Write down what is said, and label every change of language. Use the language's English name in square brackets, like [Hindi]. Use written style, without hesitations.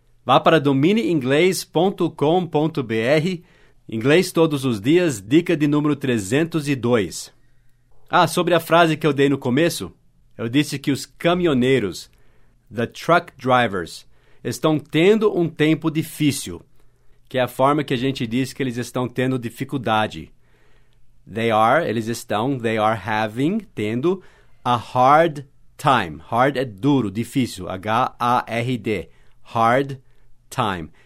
[Portuguese] Vá para dominiinglês.com.br, Inglês Todos os Dias, dica de número 302. Ah, sobre a frase que eu dei no começo, eu disse que os caminhoneiros, the truck drivers, estão tendo um tempo difícil, que é a forma que a gente diz que eles estão tendo dificuldade. [English] They are having a hard time. [Portuguese] Hard é duro, difícil, H-A-R-D, hard time.